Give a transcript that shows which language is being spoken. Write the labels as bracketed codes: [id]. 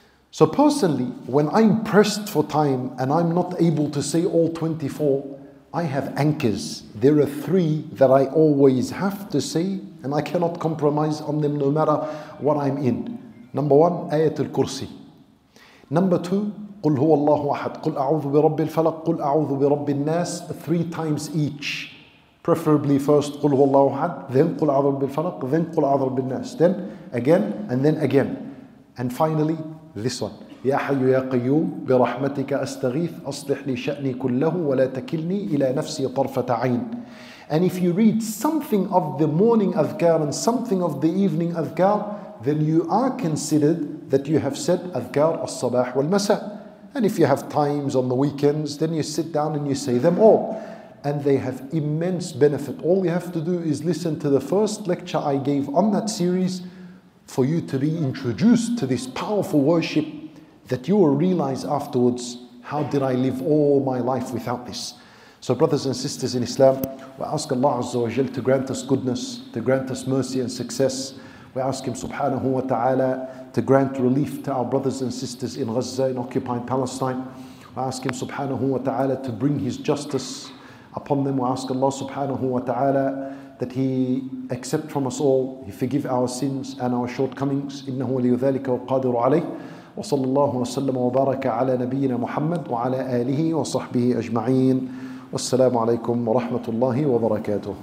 [en] So personally, when I'm pressed for time and I'm not able to say all 24, I have anchors. There are 3 that I always have to say, and I cannot compromise on them no matter what I'm in. Number 1, Ayatul Kursi. Number two, [ar] قل هو الله أحد. قل أعوذ برب الفلق. قل أعوذ برب الناس. [en] Three times each. Preferably first, [ar] قل هو الله أحد. [en] Then [ar] قل أعوذ برب الفلق. [en] Then [ar] قل أعوذ برب الناس. [en] Then again and then again. And finally, this one. [ar] يا حي يا قيوم برحمتك أستغيث أصلح لي شأني كله ولا تكلني إلى نفسي طرفة عين. [en] And if you read something of the morning أذكار and something of the evening أذكار, then you are considered that you have said [ar] أذكار الصباح والمساء. [en] And if you have times on the weekends, then you sit down and you say them all. And they have immense benefit. All you have to do is listen to the first lecture I gave on that series for you to be introduced to this powerful worship that you will realize afterwards, how did I live all my life without this? So brothers and sisters in Islam, we ask Allah Azza wa Jal to grant us goodness, to grant us mercy and success. We ask Him subhanahu wa ta'ala to grant relief to our brothers and sisters in Gaza, in occupied Palestine. We ask Him subhanahu wa ta'ala to bring His justice upon them. We ask Allah subhanahu wa ta'ala that He accept from us all, He forgive our sins and our shortcomings. [ar] إِنَّهُ وَلِيُّ ذَلِكَ وَقَادِرُ عَلَيْهِ وصلى الله وسلم وبارك على نبينا محمد وعلى آله وصحبه أجمعين والسلام عليكم ورحمة الله وبركاته.